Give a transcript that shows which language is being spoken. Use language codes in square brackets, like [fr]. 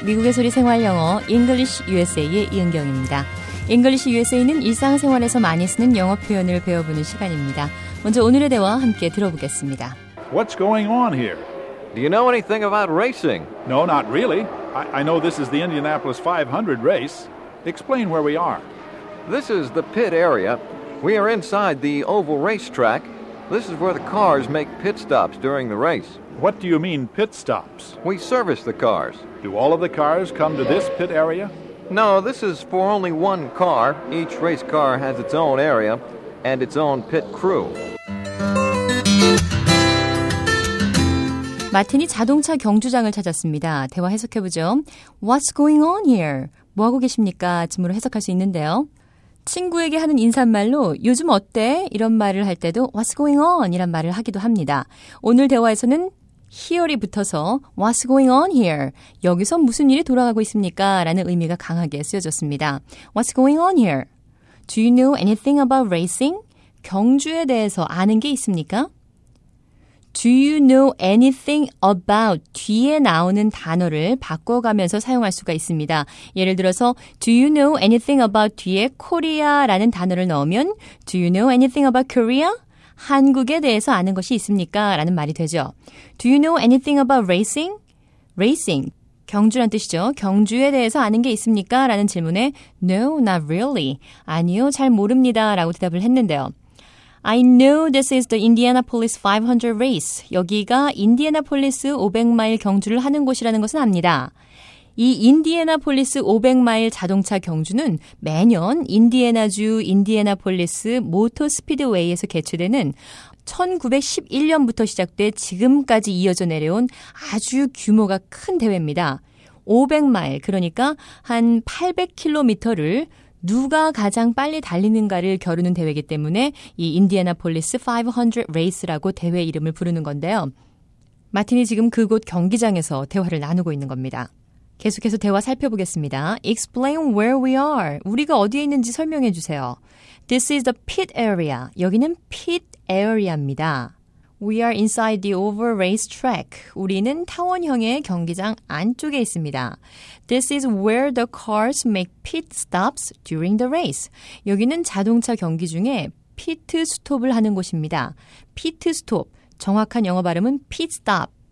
[ko] 미국의 소리 생활 영어 English USA의 이은경입니다. English USA는 일상생활에서 많이 쓰는 영어 표현을 배워보는 시간입니다. 먼저 오늘의 대화 함께 들어보겠습니다. [en] What's going on here? Do you know anything about racing? No, not really. I know this is the Indianapolis 500 race. Explain where we are. This is the pit area. We are inside the oval racetrack. This is where the cars make pit stops during the race. What do you mean, pit stops? We service the cars. Do all of the cars come to this pit area? No, this is for only one car. Each race car has its own area and its own pit crew. [ko] 마틴이 자동차 경주장을 찾았습니다. 대화 해석해보죠. [en] What's going on here? [ko] 뭐하고 계십니까? 질문으로 해석할 수 있는데요. 친구에게 하는 인사말로 요즘 어때? 이런 말을 할 때도 [en] What's going on? [ko] 이란 말을 하기도 합니다. 오늘 대화에서는 here이 붙어서 [en] What's going on here? [ko] 여기서 무슨 일이 돌아가고 있습니까? 라는 의미가 강하게 쓰여졌습니다. [en] What's going on here? Do you know anything about racing? [ko] 경주에 대해서 아는 게 있습니까? [en] Do you know anything about [ko] 뒤에 나오는 단어를 바꿔가면서 사용할 수가 있습니다. 예를 들어서 [en] Do you know anything about [ko] 뒤에 Korea라는 단어를 넣으면 [en] Do you know anything about Korea? [ko] 한국에 대해서 아는 것이 있습니까? 라는 말이 되죠. [en] Do you know anything about racing? [ko] Racing, 경주란 뜻이죠. 경주에 대해서 아는 게 있습니까? 라는 질문에 [en] No, not really. [ko] 아니요, 잘 모릅니다. 라고 대답을 했는데요. [en] I know this is the Indianapolis 500 race. [ko] 여기가 인디애나폴리스 500마일 경주를 하는 곳이라는 것은 압니다. 이 인디애나폴리스 500마일 자동차 경주는 매년 인디애나주 인디애나폴리스 모터스피드웨이에서 개최되는 1911년부터 시작돼 지금까지 이어져 내려온 아주 규모가 큰 대회입니다. 500마일, 그러니까 한 800km를 누가 가장 빨리 달리는가를 겨루는 대회이기 때문에 이 인디애나폴리스 500 레이스라고 대회 이름을 부르는 건데요. 마틴이 지금 그곳 경기장에서 대화를 나누고 있는 겁니다. 계속해서 대화 살펴보겠습니다. [en] Explain where we are. [ko] 우리가 어디에 있는지 설명해 주세요. [en] This is the pit area. [ko] 여기는 pit area입니다. [en] We are inside the oval race track. [ko] 우리는 타원형의 경기장 안쪽에 있습니다. [en] This is where the cars make pit stops during the race. [ko] 여기는 자동차 경기 중에 피트 스톱을 하는 곳입니다. 피트 스톱, 정확한 영어 발음은 pit stop.